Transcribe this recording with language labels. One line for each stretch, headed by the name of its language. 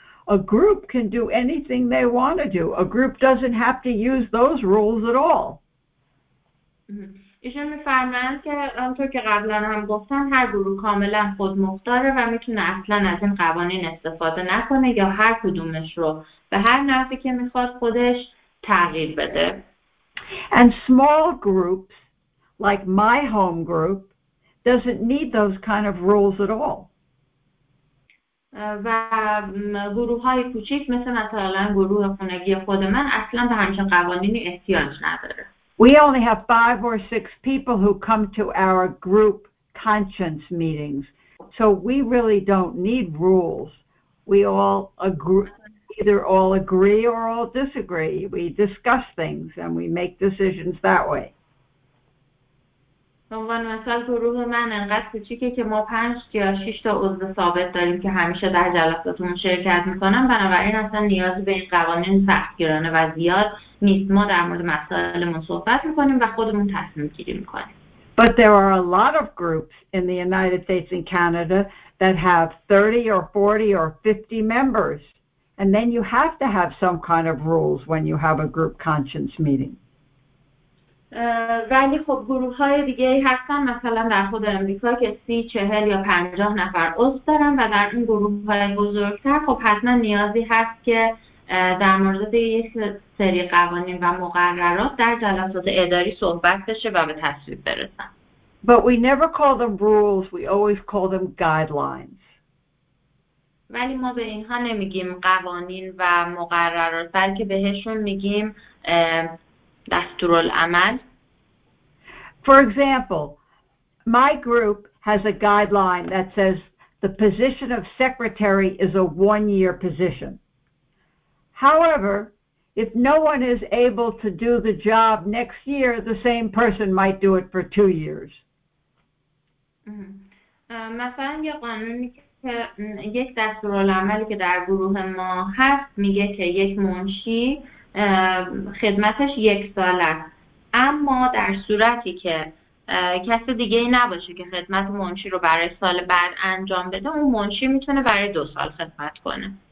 English: A group can do anything they want to do. A group doesn't have to use those rules at all.
Persian: ایشون میفرمایند که همونطور که قبلا هم گفتن هر گروه کاملا خودمختاره و میتونه اصلا از این قوانین استفاده نکنه یا هر کدومش رو به هر نحوی که میخواد خودش تغییر بده.
English: And small groups like my home group doesn't need those kind of rules at all.
Persian: و گروه‌های کوچک مثل مثلا گروه خانگی خود من اصلا به همچین قوانینی احتیاج نداره.
English: We only have 5 or 6 people who come to our group conscience meetings. So we really don't need rules. We all agree, either all agree or all disagree. We discuss things and we make decisions that way.
Persian: به عنوان مثال گروه من انقدر کوچیکه که ما 5 یا 6 تا عضو ثابت داریم که همیشه در جلساتمون شرکت میکنن بنابراین اصلا نیازی به این قوانین سختگیرانه و زیاد نیست ما در مورد مسائلمون صحبت میکنیم و خودمون تصمیم گیری میکنیم
English: But there are a lot of groups in the United States and Canada that have 30 or 40 or 50 members and then you have to have some kind of rules when you have a group conscience meeting.
Persian: ولی خب گروه های دیگه هستن مثلا در خود امریکا که 30, 40,
English: or
Persian: 50 نفر عضو دارن و در این گروه های بزرگتر خب حتما نیازی هست که در مورد یک سری قوانین و مقررات در جلسات اداری صحبت بشه و به تصویب برسن.
English: But we never call them rules, we always call them guidelines.
Persian: ولی ما به اینها نمیگیم قوانین و مقررات بلکه بهشون میگیم دستورالعمل.
English: For example, my group has a guideline that says the position of secretary is a 1-year position. However, if no one is able to do the job next year, the same person might do it for 2 years.
Persian: مثلا یه قانونی که یک دستورالعمل که در گروه ما هست میگه که یک منشی خدمتش 1 سال است اما در صورتی که کسی دیگه نباشه که خدمت منشی رو برای سال بعد انجام بده اون منشی میتونه برای 2 سال خدمت کنه